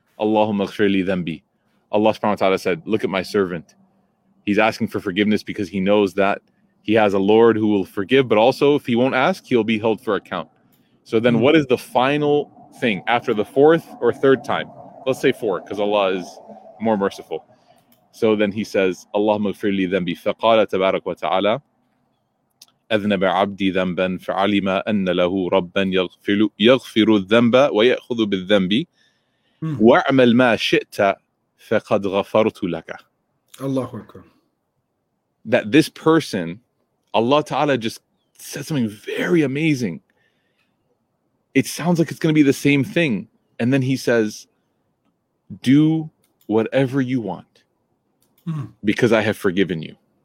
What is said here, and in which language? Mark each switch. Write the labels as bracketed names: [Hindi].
[Arabic] Allahumma ghfir li dhanbi. [English] Allah subhanahu wa ta'ala said, look at my servant. He's asking for forgiveness because he knows that he has a Lord who will forgive, but also if he won't ask, he'll be held for account. So then what is the final thing after the 4th or 3rd time? Let's say 4, because Allah is more merciful. So then he says, [Arabic] Allahumma ghfir li dhanbi. Faqala tabarak wa ta'ala, أَذْنَبَ عَبْدِي ذَنْبًا فَعَلِمَ أَنَّ لَهُ رَبًّا يَغْفِرُ الذَّنْبَ وَيَأْخُذُ بِالذَّنْبِ وَأَعْمَلْ مَا شِئْتَ فَقَدْ غَفَرْتُ لَكَ. [English] Allahu Akbar. That this person, Allah Ta'ala just said something very amazing. It sounds like it's going to be the same thing. And then he says, do whatever you want because I have forgiven you.